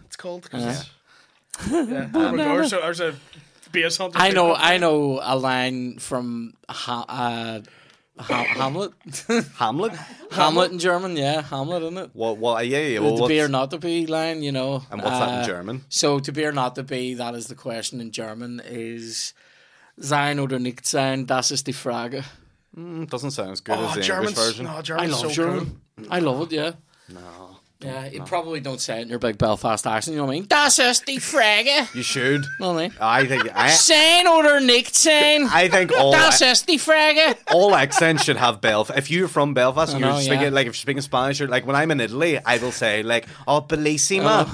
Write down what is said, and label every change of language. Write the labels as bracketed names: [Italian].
[English] It's called. There's a Bass Hunter. I know a line from Hamlet. Hamlet? Hamlet in German, yeah. Hamlet, isn't it? What, to be or not to be line, you know. And what's that in German? So, to be or not to be, that is the question in German, is [German] sein oder nicht sein, das ist die Frage. [English] Doesn't sound as good as the German's, English version. No, German's I love so German. Cool. I love it, yeah. No. Yeah, you probably don't say it in your big Belfast accent, you know what I mean? [German] Das ist die Frage. [English] You should. No, I mean. I think... [German] Sein oder nicht sein. [English] I think all... [German] Das ist die Frage. [English] All accents should have Belfast. If you're from Belfast, like if you're speaking Spanish, you're, like when I'm in Italy, I will say like, oh, bellissima.